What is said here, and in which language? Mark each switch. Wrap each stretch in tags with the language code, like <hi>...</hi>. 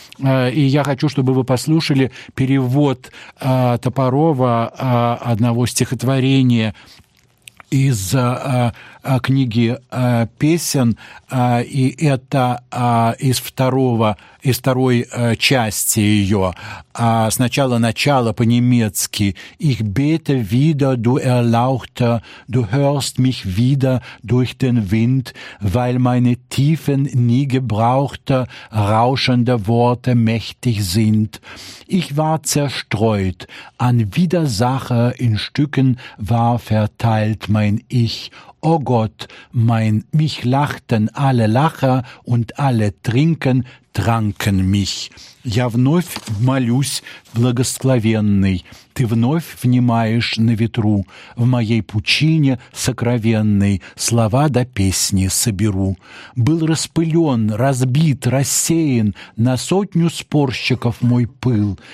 <ru>И я хочу, чтобы вы послушали перевод Топорова одного стихотворения из книги «Песен», и это из второй части ее. Сначала начало по-немецки.</ru> <de>«Ich bete wieder, du erlauchte, du hörst mich wieder durch den Wind, weil meine tiefen, nie gebrauchte, rauschende Worte mächtig sind. Ich war zerstreut, an Widersacher in Stücken war verteilt mein Ich. O Gott, mein, mich lachten alle Lacher und alle Trinken tranken mich.</de> <ru>Я вновь молюсь, благословенный, ты вновь внимаешь на ветру, в моей пучине сокровенной слова да песни соберу. Был распылен, разбит, рассеян на сотню спорщиков мой пыл.</ru>